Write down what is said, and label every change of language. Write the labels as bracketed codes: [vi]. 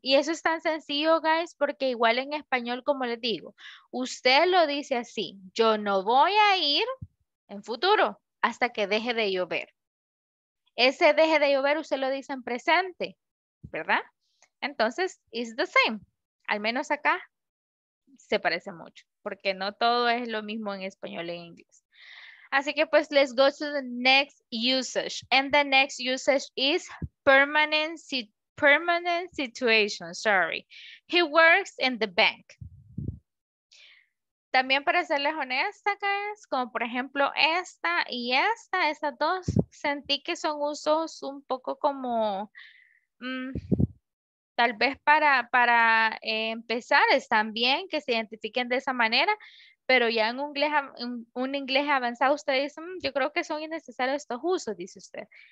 [es] Y eso es tan sencillo, guys, porque igual en español, como les digo, usted lo dice así, yo no voy a ir en futuro hasta que deje de llover. Ese deje de llover usted lo dice en presente, ¿verdad? Entonces, [en] it's the same. [es] Al menos acá se parece mucho, porque no todo es lo mismo en español e inglés. Así que pues, [en] let's go to the next usage. And the next usage is permanent situation, sorry. He works in the bank. [es] También para serles honesta, guys, como por ejemplo esta y esta, estas dos, sentí que son usos un poco como, tal vez para empezar, están bien que se identifiquen de esa manera, pero ya en un inglés avanzado usted dice, yo creo que son innecesarios estos usos, dice usted.